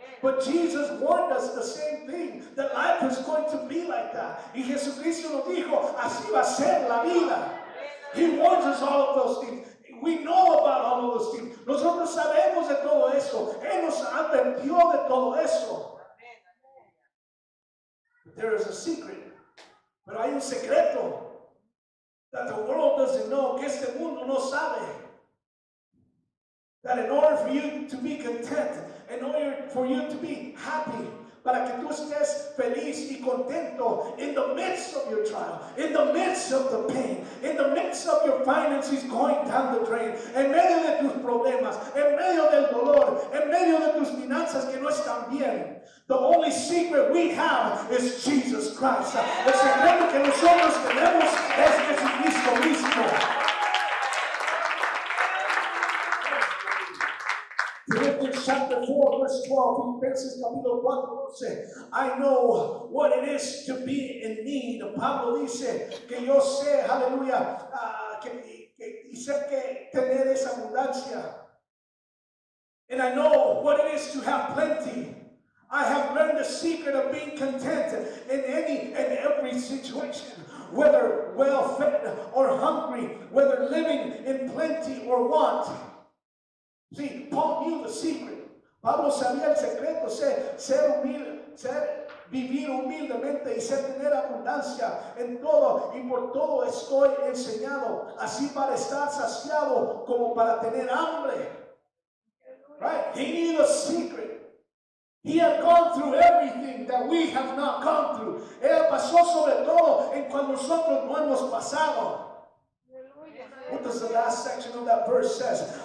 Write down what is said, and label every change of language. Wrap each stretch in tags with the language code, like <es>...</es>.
<en>But Jesus warned us the same thing, that life is going to be like that.</en> <es>Y Jesucristo nos dijo, así va a ser la vida.</es> <en>He warns us all of those things. We know about all of those things.</en> <es>Nosotros sabemos de todo eso. Él nos advirtió de todo eso.</es> <en>But there is a secret.</en> <es>Pero hay un secreto.</es> <en>That the world doesn't know.</en> <es>Que este mundo no sabe.</es> <en>That in order for you to be content. In order for you to be happy.</en> <es>Para que tú estés feliz y contento</es> <en>in the midst of your trial, in the midst of the pain, in the midst of your finances going down the drain,</en> <es>en medio de tus problemas, en medio del dolor, en medio de tus finanzas que no están bien.</es> <en>The only secret we have is Jesus Christ. Yeah.</en> <es>El secreto que nosotros tenemos es Jesucristo mismo.</es> <en>Chapter 4, verse 12, Ephesians capítulo 4, verse 12. I know what it is to be in need.</en> <es>Pablo dice que yo sé, aleluya, y sé que tener esa abundancia.</es> <en>And I know what it is to have plenty. I have learned the the secret of being content in any and every situation, whether well fed or hungry, whether living in plenty or want. See, Paul knew the secret.</en> <es>Pablo sabía el secreto, ser humilde, ser vivir humildemente y ser tener abundancia en todo y por todo estoy enseñado, así para estar saciado como para tener hambre.</es> <en>Right? He knew the secret. He had gone through everything that we have not gone through.</en> <es>Él pasó sobre todo en cual nosotros no hemos pasado.</es> <en>What does the last section of that verse says?</en>